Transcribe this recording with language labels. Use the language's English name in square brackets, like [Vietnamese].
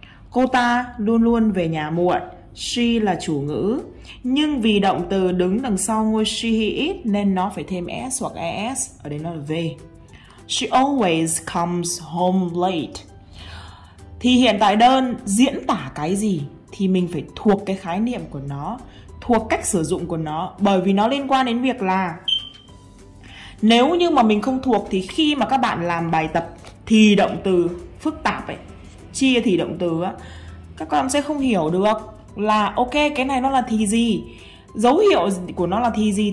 [Vietnamese] Cô ta luôn luôn về nhà muộn. She là chủ ngữ. Nhưng vì động từ đứng đằng sau ngôi she he it nên nó phải thêm s hoặc es. Ở đây nó là về. [English] She always comes home late. [Vietnamese] Thì hiện tại đơn diễn tả cái gì? Thì mình phải thuộc cái khái niệm của nó, thuộc cách sử dụng của nó. Bởi vì nó liên quan đến việc là nếu như mà mình không thuộc thì khi mà các bạn làm bài tập thì động từ phức tạp ấy, chia thì động từ á, các con sẽ không hiểu được là ok cái này nó là thì gì, dấu hiệu của nó là thì gì.